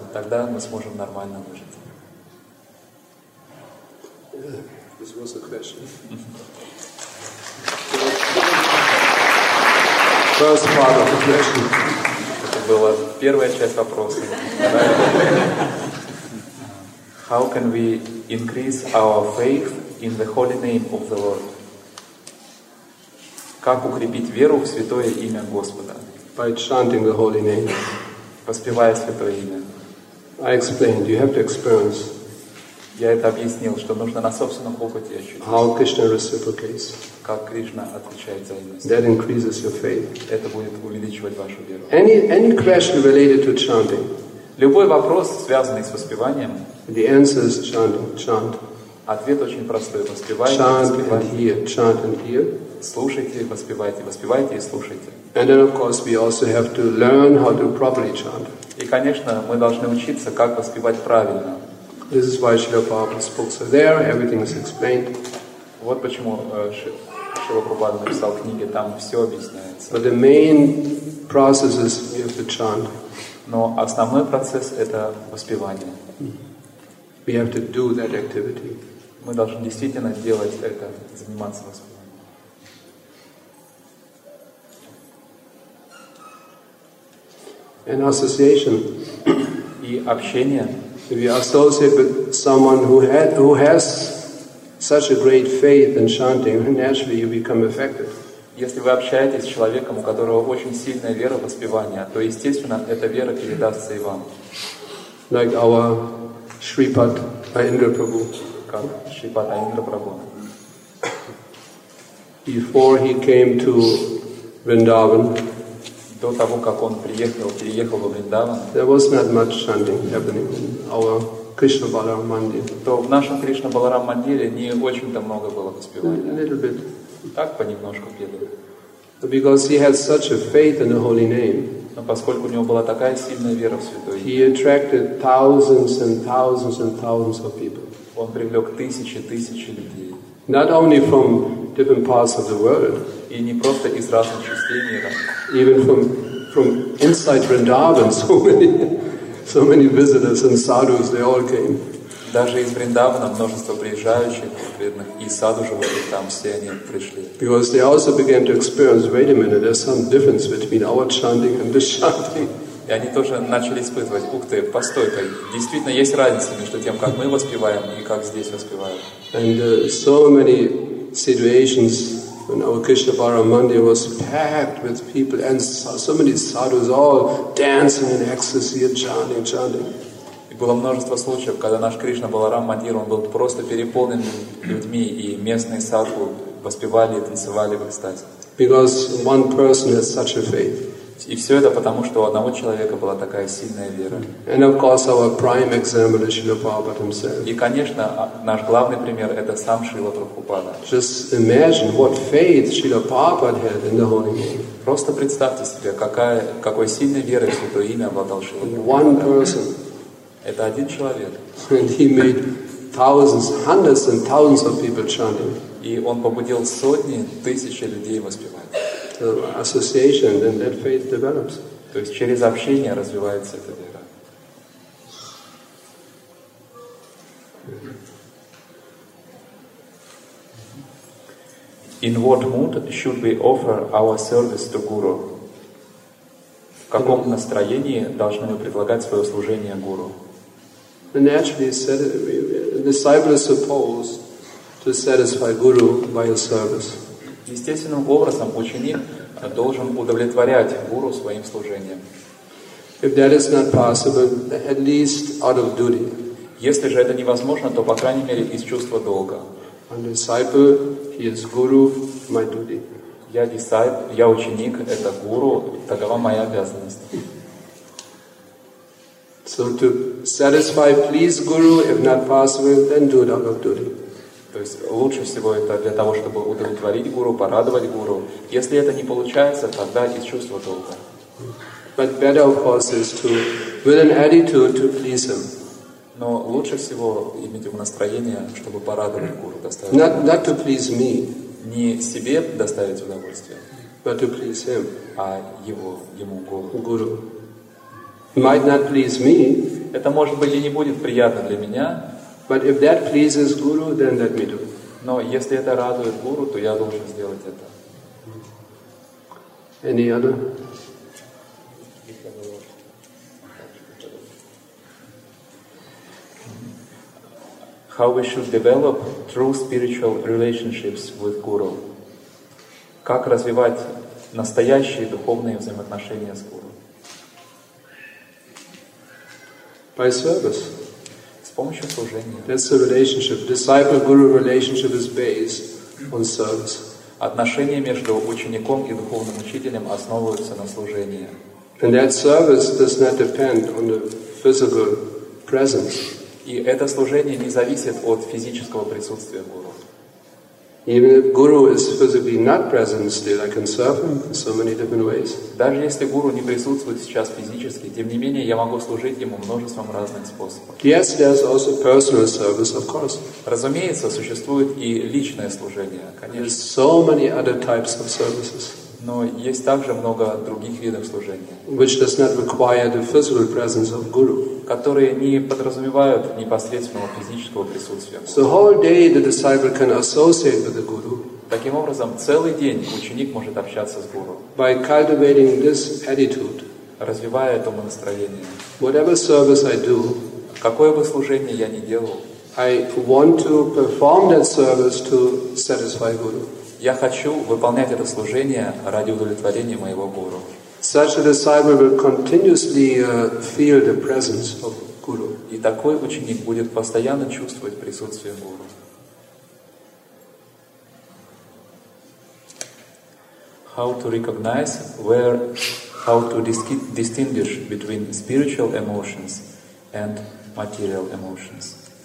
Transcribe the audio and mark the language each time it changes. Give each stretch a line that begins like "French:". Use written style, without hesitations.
Russian: Тогда мы сможем нормально выжить.
English: This was a question. First part of the question.
Russian: Это была первая часть вопроса.
English: How can we increase our faith in the holy name of the Lord?
Russian: Как укрепить веру в святое имя Господа?
English: By chanting the holy name.
Russian: Воспевая святое имя.
English: I explained. You have to experience.
Russian: Я это объяснил, что нужно на собственном опыте ощутить.
English: How Krishna reciprocates.
Russian: Как Кришна отвечает за имя.
English: That increases your faith.
Russian: Это будет увеличивать вашу веру.
English: Any question related to chanting.
Russian: Любой вопрос, связанный с воспеванием.
English: The answer is chanting. Chant.
Russian: Ответ очень простой. Воспевайте,
English: chant
Russian: воспевайте.
English: And hear. Chant and hear.
Russian: Слушайте, воспевайте, воспевайте и слушайте.
English: And then, of course, we also have to learn how to properly chant.
Russian: И, конечно, мы должны учиться, как воспевать правильно.
English: This is why Srila Prabhupada spoke so there, everything is explained.
Russian: Вот почему Шрила Прабхупада написал книги, там все объясняется.
English: But the main process is you have to chant.
Russian: Но основной процесс — это воспевание.
English: We have to do that activity.
Russian: Мы должны действительно делать это, заниматься воспеванием.
English: And association.
Russian: И общение.
English: If you associate with someone who has such a great faith in chanting, naturally you become affected.
Russian: Если вы общаетесь с человеком, у которого очень сильная вера в воспевание, то естественно эта вера передастся и вам.
English: Like our Shripad Aindra Prabhu.
Russian: Как Shripad Aindra Prabhu.
English: Before he came to Vrindavan.
Russian: До того, как он переехал в Вриндаван,
English: there was not much chanting happening in our Krishna Balaram Mandir.
Russian: То в нашем Кришна Баларам Мандире не очень-то много было воспевания.
English: A little bit.
Russian: Так понемножку пели.
English: Because he had such a faith in the holy name.
Russian: Но поскольку у него была такая сильная вера в святое имя,
English: he attracted thousands and thousands and thousands of people.
Russian: Он привлек тысячи, тысячи людей.
English: Not only from different parts of the world.
Russian: И не просто из разных частей мира.
English: Even from inside Vrindavan, so many visitors and sadhus, they all came.
Russian: Даже из Вриндавана множество приезжающих преданных и садху же были там, все они пришли.
English: Because they also began to experience, wait a minute, there's some difference between our chanting and the chanting.
Russian: И они тоже начали испытывать, ух ты, постой-ка, действительно есть разница между тем, как мы воспеваем и как здесь воспевают.
English: And so many situations when our Krishna Balaram Mandir was packed with people and so many sadhus all dancing in ecstasy and chanting.
Russian: И было множество случаев, когда наш Кришна Баларам Мандир, он был просто переполнен людьми, и местные садху воспевали и танцевали в экстазе.
English: Because one person has such a faith.
Russian: И все это потому, что у одного человека была такая сильная вера.
English: And of course, our prime example is Srila Prabhupada himself.
Russian: И, конечно, наш главный пример — это сам Шрила Прабхупада.
English: Just imagine what faith Srila Prabhupada had in the holy name.
Russian: Просто представьте себе, какой сильной верой в Святое Имя обладал Шрила Прабхупада.
English: One person.
Russian: Это один человек.
English: And he made thousands, hundreds and thousands of people chanting.
Russian: И он побудил сотни, тысячи людей воспевать.
English: Association, then that faith develops.
Russian: То есть через общение развивается эта вера.
English: In what mood should we offer our service to Guru?
Russian: В каком настроении должны мы предлагать свое служение Гуру?
English: Naturally, disciple is supposed to satisfy Guru by his service.
Russian: Естественным образом ученик должен удовлетворять гуру своим служением.
English: If that is not possible, at least out of duty.
Russian: Если же это невозможно, то по крайней мере из чувства долга.
English: And disciple, he is guru, my duty.
Russian: Я disciple, я ученик, это гуру, такова моя обязанность.
English: So to satisfy, please guru, if not possible, then do it out of duty.
Russian: То есть лучше всего это для того, чтобы удовлетворить гуру, порадовать гуру. Если это не получается, тогда из чувства долга.
English: But better, of course, is to, with an attitude to please him.
Russian: Но лучше всего иметь в настроении, чтобы порадовать гуру, доставить.
English: Not to please me.
Russian: Не себе доставить удовольствие.
English: But to please him.
Russian: А ему гуру.
English: Guru. Might not please me.
Russian: Это может быть и не будет приятно для меня.
English: But if that pleases Guru, then let me do it.
Russian: Но если это радует Гуру, то я должен сделать это.
English: Any other? How we should develop true spiritual relationships with Guru?
Russian: Как развивать настоящие духовные взаимоотношения с Гуру?
English: By service.
Russian: С помощью служения.
English: That's the relationship. Disciple-guru relationship is based on service.
Russian: Отношения между учеником и духовным учителем основываются на служении.
English: And that service does not depend on the physical presence.
Russian: И это служение не зависит от физического присутствия гуру.
English: Even if guru is physically not present, still I can serve him in so many different ways.
Russian: Даже если гуру не присутствует сейчас физически, тем не менее я могу служить ему множеством разных способов.
English: Yes, there is also personal service, of course.
Russian: Разумеется, существует и личное служение, конечно.
English: There's so many other types of services.
Russian: Но есть также много других видов служения.
English: Which does not require the physical presence of guru.
Russian: Которые не подразумевают непосредственного физического присутствия.
English: So whole day the disciple can associate with the guru.
Russian: Таким образом, целый день ученик может общаться с гуру.
English: By cultivating this attitude.
Russian: Развивая это настроение.
English: Whatever service I do.
Russian: Какое бы служение я ни делал.
English: I want to perform that service to satisfy guru.
Russian: Я хочу выполнять это служение ради удовлетворения моего гуру.
English: Such a disciple will continuously feel the presence of guru.
Russian: И такой ученик будет постоянно чувствовать присутствие гуру.
English: How to recognize where, how to distinguish between spiritual emotions and material emotions?